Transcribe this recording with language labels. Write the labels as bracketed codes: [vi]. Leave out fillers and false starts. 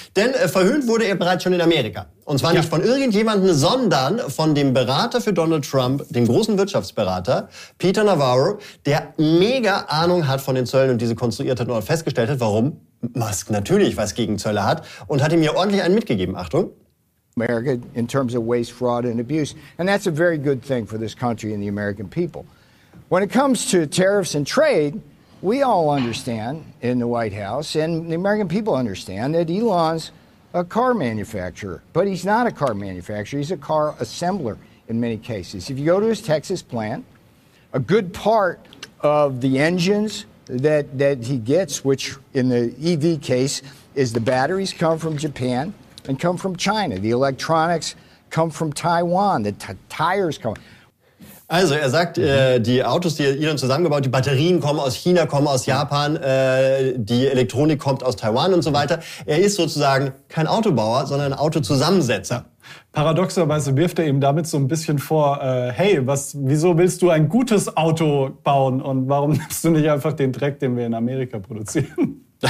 [de] Denn verhöhnt wurde er bereits schon in Amerika. Und zwar nicht von irgendjemandem, sondern von dem Berater für Donald Trump, dem großen Wirtschaftsberater, Peter Navarro, der mega Ahnung hat von den Zöllen und diese konstruiert hat und festgestellt hat, warum Musk natürlich was gegen Zölle hat und hat ihm hier ordentlich einen mitgegeben. Achtung. [en] America in terms of waste, fraud and abuse. And that's a very good thing for this country and the American people. When it comes to tariffs and trade, we all understand in the White House and the American people understand that Elon's a car manufacturer, but he's not a car manufacturer. He's a car assembler in many cases. If you go to his Texas plant, a good part of the engines that he gets, which in the EV case is the batteries come from Japan and come from China. The electronics come from Taiwan. The tires come. [de] Also er sagt, die Autos, die Elon zusammengebaut, die Batterien kommen aus China, kommen aus Japan, die Elektronik kommt aus Taiwan und so weiter. Er ist sozusagen kein Autobauer, sondern ein Autozusammensetzer. Paradoxerweise wirft er eben damit so ein bisschen vor, hey, wieso willst du ein gutes Auto bauen und warum nimmst du nicht einfach den Dreck, den wir in Amerika produzieren?